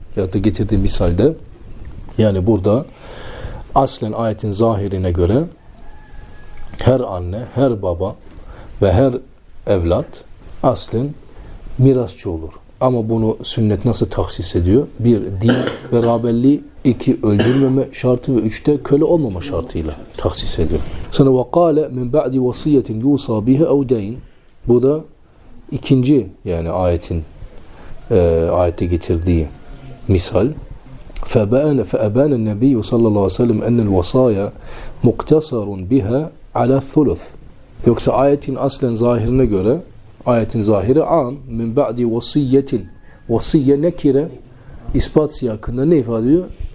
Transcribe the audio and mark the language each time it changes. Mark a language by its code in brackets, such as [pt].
[tr] Ya da getirdiğim misalde, yani burada aslen ayetin zahirine göre her anne, her baba ve her evlat aslen mirasçı olur. Ama bunu sünnet nasıl taksis ediyor? Bir, din beraberliği, iki, öldürmeme şartı ve üçte köle olmama şartıyla taksis ediyor. [ar] Sonra وَقَالَ مِنْ بَعْدِ وَصِيَّةٍ يُوْسَى بِهِ اَوْدَيْنِ. [tr] Bu da ikinci yani ayetin ayette getirdiği misal. [ar] فَأَبَانَ النَّبِيُّ صَلَّى اللّٰهُ سَلَّمْ اَنَّ الْوَصَايَ مُقْتَصَرٌ بِهَا عَلَى الثُّلُثِ. [tr] Yoksa ayetin aslen zahirine göre, ayetin zahiri an, [ar] min ba'di vasiyyetin, [tr] vasiyye nekire, ispat siyakında ne ifade ediyor?